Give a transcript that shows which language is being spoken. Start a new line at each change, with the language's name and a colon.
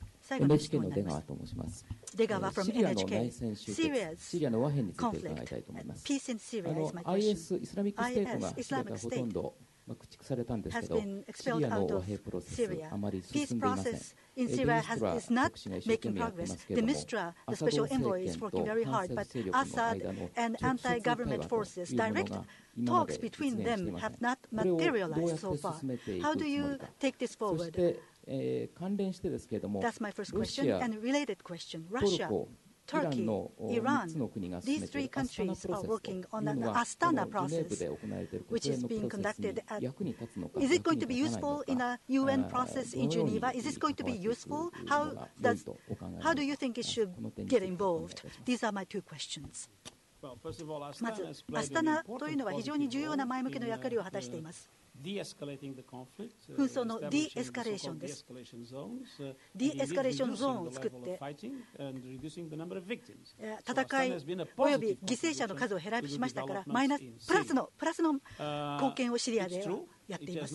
Japanese: NHK の出川と申します。
English: 出川 from NHK.
Japanese: シリアの内戦終結、シリアの和平について伺いたいと思います。
English: Peace in Syria is my question.
Japanese: IS イスラミックステートがシリアからほとんど駆逐されたんですけど、シリアの和平プロセスあまり進んでいません。
English: In Syria is not making progress. The Mistra, the special envoy, is working very hard, but Assad and anti-government forces, direct talks between them have not materialized so far. How do you take this forward? That's my first question. And related question, Russia, Turkey, Iran, these three countries are working on an Astana process, which is being conducted at, is it going to be useful in a UN process in Geneva? Is this going to be useful? How do you think it should get involved? These are my two questions.
Japanese: まず、アスタナというのは非常に重要な前向きの役割を果たしています。紛争のディエスカレーションです。ディエスカレーションゾーンを作って、戦いおよび犠牲者の数を減らしましたから、プラスの貢献をシリアでやっています。